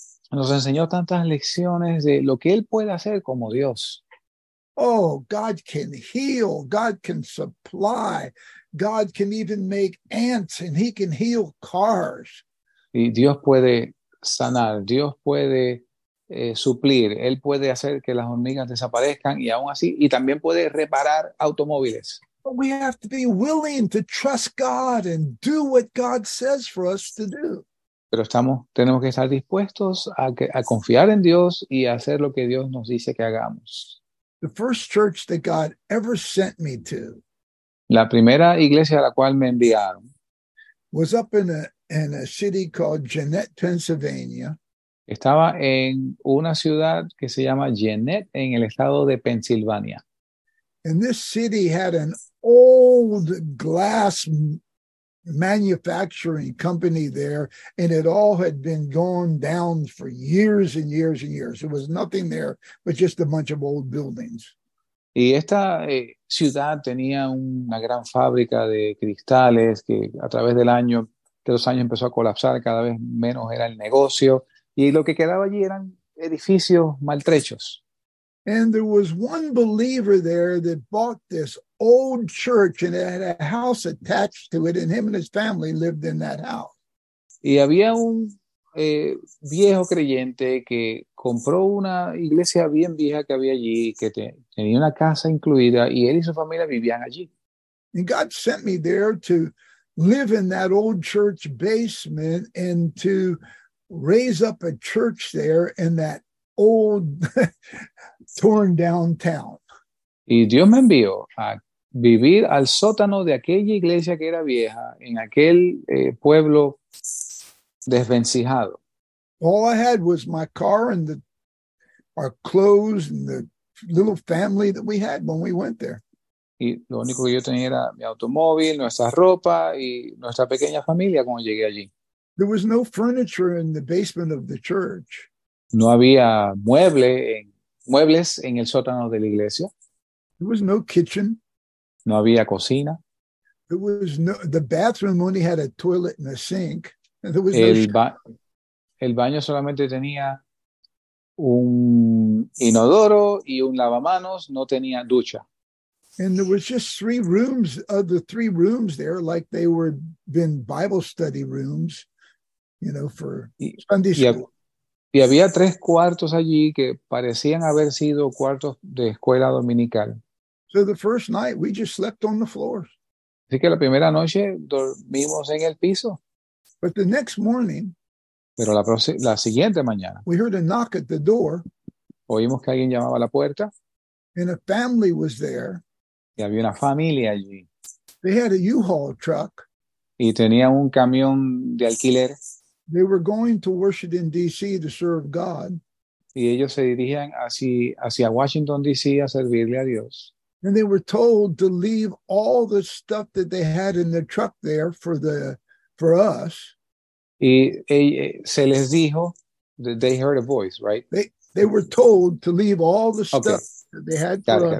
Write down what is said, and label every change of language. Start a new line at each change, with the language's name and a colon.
Spanish: Nos enseñó tantas lecciones de lo que él puede hacer como Dios.
English: Oh, God can heal, God can supply, God can even make ants and he can heal cars.
Spanish: Y Dios puede sanar, Dios puede suplir, él puede hacer que las hormigas desaparezcan y aún así, y también puede reparar automóviles.
English: But we have to be willing to trust God and do what God says for us to do.
Spanish: Pero tenemos que estar dispuestos a confiar en Dios y a hacer lo que Dios nos dice que hagamos.
English: The first church that God ever sent me to,
Spanish: la primera iglesia a la cual me enviaron,
English: was up in a city called Gannett, Pennsylvania.
Spanish: Estaba en una ciudad que se llama Gannett en el estado de Pensilvania.
English: And this city had an old glass manufacturing company there, and it all had been gone down for years and years and years. There was nothing there but just a bunch of old buildings.
Spanish: Y esta ciudad tenía una gran fábrica de cristales que a través de los años empezó a colapsar, cada vez menos era el negocio, y lo que quedaba allí eran edificios maltrechos.
English: And there was one believer there that bought this old church and it had a house attached to it, and him and his family lived in that house.
Spanish: Y había un viejo creyente que compró una iglesia bien vieja que había allí, que tenía una casa incluida, y él y su familia vivían allí.
English: And God sent me there to live in that old church basement and to raise up a church there in that old torn down town.
Spanish: Y Dios me envió a vivir al sótano de aquella iglesia que era vieja en aquel pueblo desvencijado.
English: All I had was my car and our clothes and the little family that we had when we went there.
Spanish: Y lo único que yo tenía era mi automóvil, nuestra ropa y nuestra pequeña familia cuando llegué allí.
English: There was no furniture in the basement of the church.
Spanish: No había muebles en el sótano de la iglesia.
English: There was no kitchen.
Spanish: No había cocina.
English: There was no, the bathroom only had a toilet and a sink. There was
Spanish: el baño solamente tenía un inodoro y un lavamanos, no tenía ducha.
English: And there was just three rooms, the three rooms there, like they were been Bible study rooms, you know, for Sunday school.
Spanish: Y había tres cuartos allí que parecían haber sido cuartos de escuela dominical.
English: So the first night we just slept on the floors.
Spanish: Así que la primera noche dormimos en el piso.
English: But the next morning,
Spanish: pero la siguiente mañana,
English: we heard a knock at the door.
Spanish: Oímos que alguien llamaba a la puerta.
English: And a family was there.
Spanish: Y había una familia allí.
English: They had a U-Haul truck.
Spanish: Y tenía un camión de alquiler.
English: They were going to Washington, D.C. to serve God.
Spanish: Y ellos se dirigían hacia Washington, D.C. a servirle a Dios.
English: And they were told to leave all the stuff that they had in the truck there for us.
Spanish: Y se les dijo,
English: they heard a voice, right? They were told to leave all the stuff that they had for us.